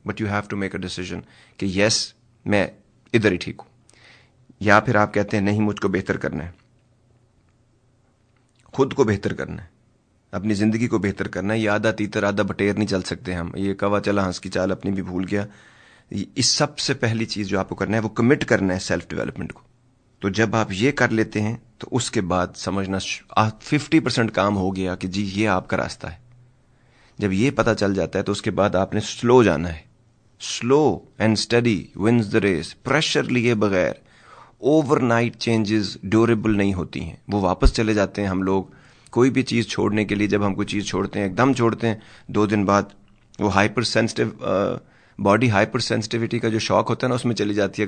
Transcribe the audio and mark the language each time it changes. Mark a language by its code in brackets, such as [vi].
[en] but you have to make a decision [ur] کہ یس میں ادھر ہی ٹھیک ہوں, یا پھر آپ کہتے ہیں نہیں مجھ کو بہتر کرنا ہے, خود کو بہتر کرنا ہے, اپنی زندگی کو بہتر کرنا ہے. یہ آدھا تیتر آدھا بٹیر نہیں چل سکتے ہم, یہ کوا چلا ہنس کی چال اپنی بھی بھول گیا. اس سب سے پہلی چیز جو آپ کو کرنا ہے وہ کمٹ کرنا ہے سیلف ڈیولپمنٹ کو. تو جب آپ یہ کر لیتے ہیں تو اس کے بعد سمجھنا 50% کام ہو گیا کہ جی یہ آپ کا راستہ ہے. جب یہ پتا چل جاتا ہے تو اس کے بعد آپ نے سلو جانا ہے. [en] Slow and steady wins the race. [ur] Pressure لیے بغیر اوور نائٹ چینجز ڈیوریبل نہیں ہوتی ہیں, وہ واپس چلے جاتے ہیں. ہم لوگ کوئی بھی چیز چھوڑنے کے لیے جب ہم کوئی چیز چھوڑتے ہیں, ایک دم چھوڑتے ہیں, دو دن بعد وہ hyper sensitive body hyper sensitivity کا جو شوق ہوتا ہے نا اس میں چلی جاتی ہے.